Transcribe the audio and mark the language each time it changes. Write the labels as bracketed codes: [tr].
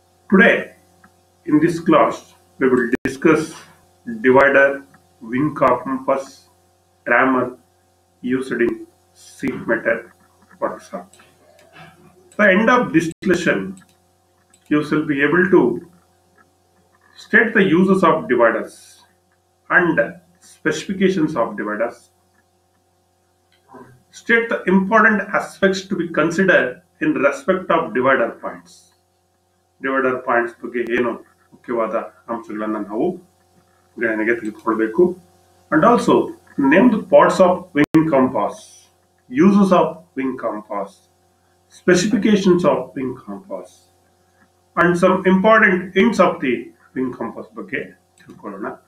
[en] Today in this class we will discuss divider, wing compass, trammel used in sheet metal works. The end of this lesson you will be able to state the uses of dividers and specifications of dividers. State the important aspects to be considered in respect of divider points. [kn] Divider points ಬಗ್ಗೆ ಏನು ಮುಖ್ಯವಾದ ಅಂಶಗಳನ್ನು ನಾವು ಗಣನೆಗೆ ತೆಗೆದುಕೊಳ್ಬೇಕು. [en] And also name the parts of wing compass, uses of wing compass, specifications of wing compass and some important hints of the wing compass ಬಗ್ಗೆ ತಿಳ್ಕೊಳ್ಳೋಣ.